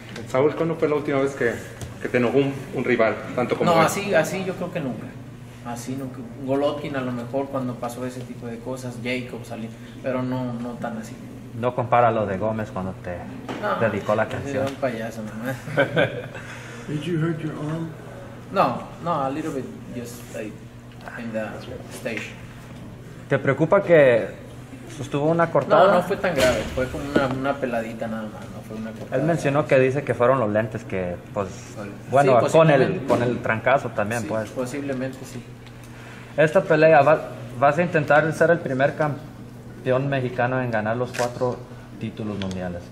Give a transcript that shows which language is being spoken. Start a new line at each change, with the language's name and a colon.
Spanish: Saúl, ¿cuándo fue la última vez que te enojó un rival? Tanto como no, él? así yo creo que nunca. Así, no, Golovkin a lo mejor cuando pasó ese tipo de cosas, Jacob salió, pero no tan así. No compara lo de Gómez cuando te dedicó la canción. Un payaso nomás.
English: Did you hurt your arm? No, a little bit, just like in the stage.
Spanish: ¿Te preocupa que sostuvo una cortada? No fue tan grave, fue como una peladita nada más. Él mencionó que dice que fueron los lentes que, pues, bueno, sí, con el trancazo también, sí, pues. Posiblemente, sí. Esta pelea, ¿vas a intentar ser el primer campeón mexicano en ganar los 4 títulos mundiales?